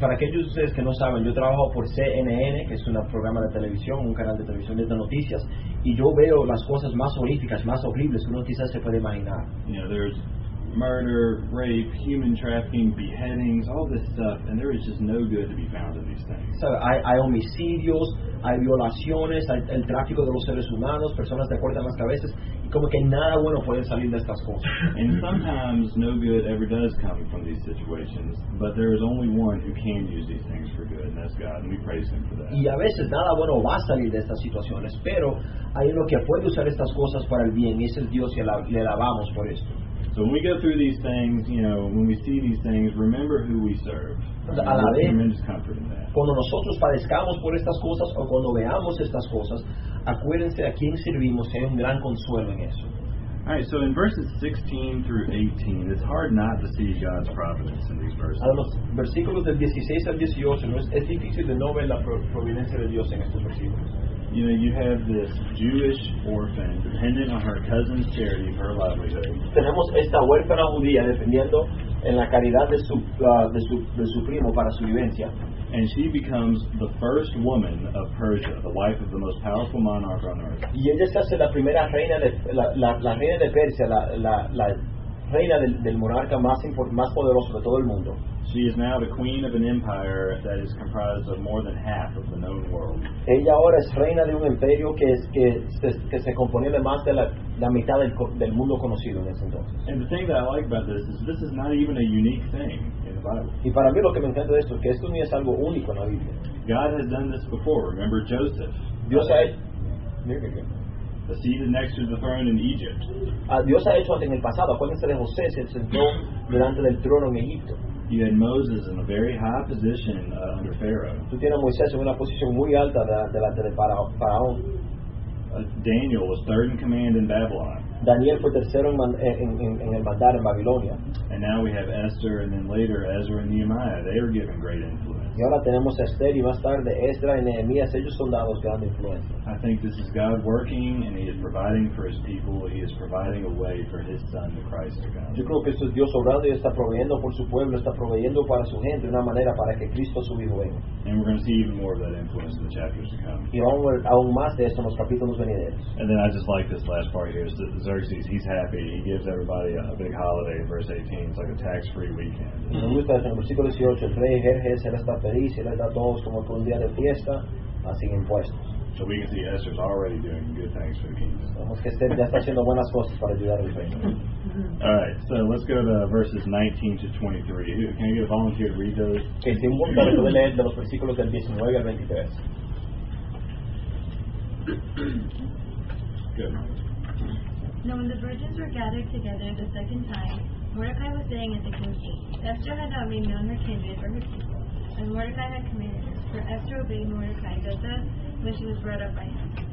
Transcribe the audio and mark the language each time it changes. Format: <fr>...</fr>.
<es>Para aquellos de ustedes que no saben, yo trabajo por CNN, que es un programa de televisión, un canal de televisión de noticias, y yo veo las cosas más horríficas, más horribles que uno quizás se puede imaginar.</es> <en>You know, there's murder, rape, human trafficking, beheadings, all this stuff, and there is just no good to be found in these things.</en> <es>So hay homicidios, hay violaciones, hay el tráfico de los seres humanos, personas de corta más cabezas, y como que nada bueno puede salir de estas cosas.</es> <en>And sometimes no good ever does come from these situations, but there is only one who can use these things for good, and that's God, and we praise Him for that.</en> <es>Y a veces nada bueno va a salir de estas situaciones, pero hay uno que puede usar estas cosas para el bien, y ese es Dios, y le alabamos por esto.</es> <en>So when we go through these things, you know, when we see these things, remember who we serve.</en> <es>A la vez,</es> <en>tremendous comfort in that.</en> <es>Cuando nosotros padezcamos por estas cosas o cuando veamos estas cosas, acuérdense a quién servimos, hay un gran consuelo en eso.</es> <en>Alright, so in verses 16 through 18, it's hard not to see God's providence in these verses.</en> <es>A los versículos del 16 al 18, es difícil de no ver la providencia de Dios en estos versículos.</es> <en>You know, you have this Jewish orphan dependent on her cousin's charity for her livelihood.</en> <es>Tenemos esta huérfana judía dependiendo en la caridad de su primo para su vivencia.</es> <en>And she becomes the first woman of Persia, the wife of the most powerful monarch on earth.</en> <es>Y ella se hace la primera reina de la reina de Persia, la reina del monarca más poderoso de todo el mundo.</es> <en>She is now the queen of an empire that is comprised of more than half of the known world.</en> <es>Ella ahora es reina de un imperio que se componía de más de la mitad del mundo conocido en ese entonces.</es> <en>And the thing that I like about this is not even a unique thing in the Bible.</en> <es>Y para mí lo que me encanta de esto es que esto ni es algo único en la Biblia.</es> <en>God has done this before. Remember Joseph.</en> <es>Dios ha</es> <en>the seed next to the throne in Egypt.</en> <es>Dios ha hecho antes en el pasado. Acuérdense de José, se sentó delante del trono en Egipto.</es> <en>You had Moses in a very high position under Pharaoh.</en> <es>Tú tienes a Moisés en una posición muy alta delante del faraón.</es> <en>Daniel was third in command in Babylon.</en> <es>Daniel fue tercero en el mandar en Babilonia.</es> <en>And now we have Esther, and then later Ezra and Nehemiah. They are given great influence.</en> <es>Y ahora tenemos a Esther y más tarde Ezra y Nehemías. Ellos son dados gran influencia.</es> <en>I think this is God working, and He is providing for His people. He is providing a way for His Son, the Christ, to come.</en> <es>Yo creo que esto es Dios obrando y está proveyendo por su pueblo, está proveyendo para su gente una manera para que Cristo su hijo venga.</es> <en>And we're going to see even more of that influence in the chapters to come.</en> <es>Y vamos a ver aún más de esto en los capítulos venideros.</es> <en>And then I just like this last part here. So Xerxes, he's happy. He gives everybody a big holiday in verse 18. It's like a tax-free weekend.</en> <es>Me gusta en el versículo 18, el rey Jerjes, él está feliz, él da a todos como un día de fiesta, sin impuestos.</es> <en>So we can see Esther's already doing good things for the kingdom.</en> <es>Vamos que Esther ya está haciendo buenas cosas para ayudar al reino.</es> <en>Alright, so let's go to verses 19 to 23. Can I get a volunteer to read those?</en> <es>Que si un voluntario puede leer de los versículos del 19 al 23.</es> <en>Good. Now when the virgins were gathered together the second time, Mordecai was staying at the king's gate. Esther had not made known her kindred or her people, and Mordecai had commanded her, for Esther obeyed Mordecai just as when she was brought up by him.</en>